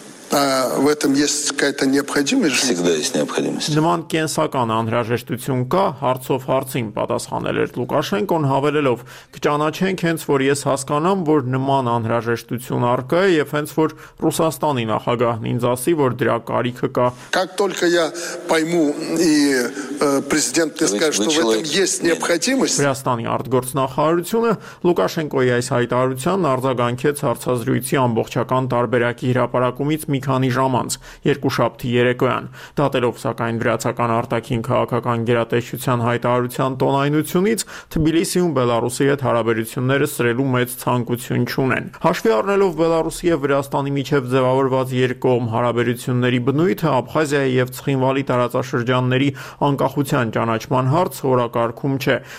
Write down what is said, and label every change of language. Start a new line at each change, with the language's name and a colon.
Russian: В этом есть какая-то необходимость? Всегда есть необходимость.
Armenian: Նման կենսական անհրաժեշտություն կա, հարցով հարցին պատասխանել էր Լուկաշենկոն, հավելելով. Կճանաչենք հենց որ ես հասկանամ, որ նման անհրաժեշտություն առկա է, եւ հենց որ Ռուսաստանի նախագահն ինձ ասի, որ դրա կարիքը կա.
Russian: Как только я пойму и президент мне скажет, что в этом есть необходимость.
Armenian: Ռուսաստանի արտգործնախարարությունը Լուկաշենկոյի այս հայտարարությանն արձագանքեց հարցազրույցի ամբողջական տարբերակի հրապարակումից մի քանի ժամ անց, երկու շաբթի երեկոյան, դատելով սակայն վրացական արտաքին քաղաքական գերատեսչության հայտարարության տոնայնությունից, Թբիլիսիում Բելարուսի հետ հարաբերությունները սրելու մեծ ցանկություն չունեն։ Հաշվի առնելով Բելարուսի և Վրաստանի միջև ձևավորված երկկողմ հարաբերությունների բնույթը, Աբխազիայի և Ցխինվալի տարածաշրջանների անկախության ճանաչման հարց սովորակարգում չէ։